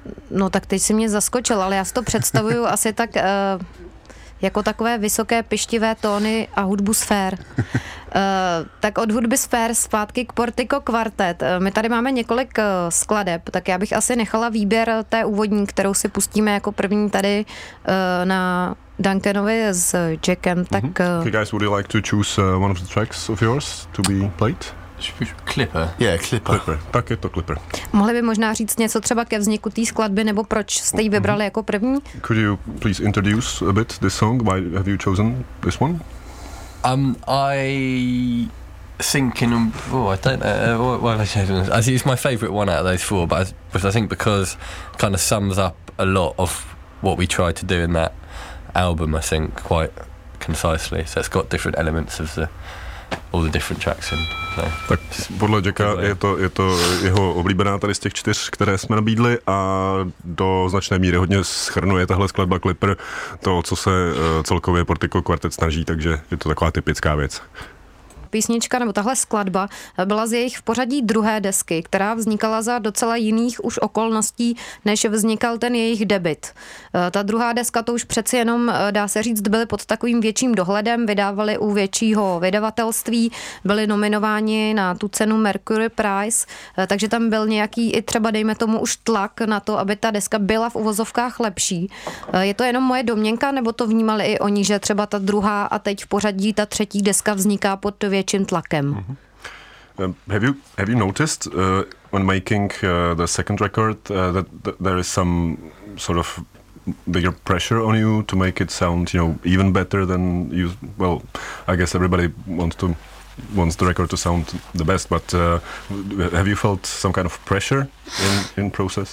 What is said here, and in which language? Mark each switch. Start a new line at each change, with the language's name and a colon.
Czech: No tak teď si mě zaskočil, ale já si to představuju asi tak jako takové vysoké pištivé tóny a hudbu sfér. Tak od hudby sfér zpátky k Portico Quartet. My tady máme několik skladeb, tak já bych asi nechala výběr té úvodní, kterou si pustíme jako první tady na Duncanovi s Jackem. Tak, mm-hmm.
English: Okay, guys, would you like to choose one of the tracks of yours to be played? Clipper. Yeah, Clipper.
Czech: Clipper. Tak je to Clipper. Mohli by možná říct něco třeba ke vzniku té skladby, nebo proč jste ji vybrali mm-hmm. jako první?
English: Could you please introduce a bit this song? Why have you chosen this one? I thinking, it's my favourite one out of those four, but I think because it kind of sums up a lot of what we tried to do in that album, I think, quite concisely. So it's got different elements of all the different tracks in.
Czech: Tak podle Jacka je to jeho oblíbená tady z těch čtyř, které jsme nabídli, a do značné míry hodně shrnuje tahle skladba Clipper to, co se celkově Portico Quartet snaží, takže je to taková typická věc. Písnička nebo tahle skladba byla z jejich v pořadí druhé desky, která vznikala za docela jiných už okolností, než vznikal ten jejich debut. Ta druhá deska, to už přeci jenom, dá se říct, byly pod takovým větším dohledem, vydávali u většího vydavatelství, byli nominováni na tu cenu Mercury Prize, takže tam byl nějaký i třeba, dejme tomu, už tlak na to, aby ta deska byla v uvozovkách lepší. Je to jenom moje domněnka, nebo to vnímali i oni, že třeba ta druhá a teď v pořadí ta třetí deska vzniká pod větším tlakem. Mm-hmm.
English: Have you noticed when making the second record that there is some sort of bigger pressure on you to make it sound, you know, even better than you? Well, I guess everybody wants the record to sound the best, but have you felt some kind of pressure in process?